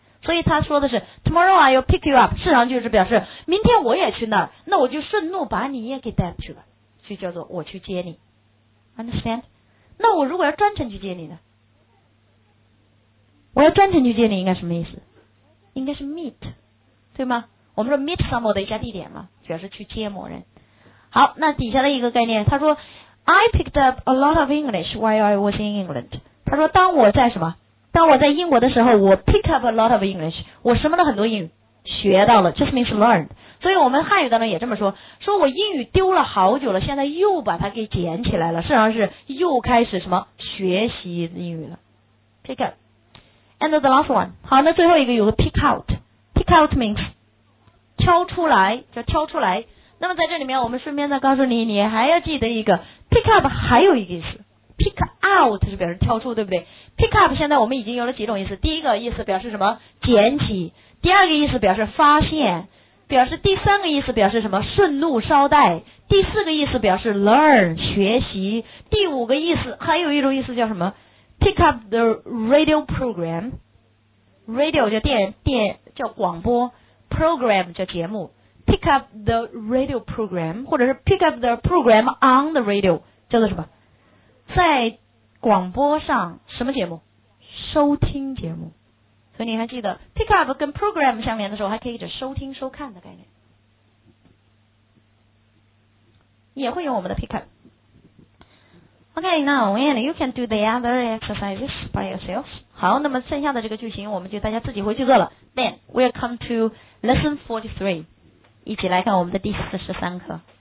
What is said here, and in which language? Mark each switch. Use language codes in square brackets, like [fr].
[zh] 所以他说的是 [en] tomorrow I'll pick you up， [zh] 实际上就是表示明天我也去那儿，那我就顺路把你也给带去了，就叫做我去接你。 [en] understand？ [zh] 那我如果要专程去接你呢，我要专程去接你应该什么意思？应该是 meet， 对吗？我们说 meet somebody 加地点嘛，表示去接某人。好，那底下的一个概念，他说 [en] I picked up a lot of English while I was in England。 [zh] 他说当我在什么，当我在英国的时候，我 pick up a lot of English， 我什么的很多英语学到了， [en] just means learned。 [zh] 所以我们汉语当中也这么说，说我英语丢了好久了，现在又把它给捡起来了，实际上是又开始什么学习英语了， pick up。 [en] And the last one， [zh] 好，那最后一个有个 pick out， [en] pick out means [zh] 挑出来，叫挑出来。那么在这里面我们顺便再告诉你，你还要记得一个 pick up 还有一个意思， pick out 是表示挑出，对不对？ pick up 现在我们已经有了几种意思，第一个意思表示什么捡起，第二个意思表示发现，表示第三个意思表示什么顺路捎带，第四个意思表示 learn 学习，第五个意思还有一种意思叫什么 [en] Pick up the radio program， [zh] radio 叫电叫广播， program 叫节目， [en] pick up the radio program， [zh] 或者是 [en] pick up the program on the radio， [zh] 叫做什么？在广播上什么节目？收听节目。所以你还记得 pick up 跟 program 相连的时候，还可以指收听收看的概念，也会用我们的 pick up。 [en] Okay, now, and you can do the other exercises by yourselves. [zh] 好，那么剩下的这个句型我们就大家自己回去做了。 [en] Then, we'll come to lesson 43. [zh] 一起来看我们的第43课。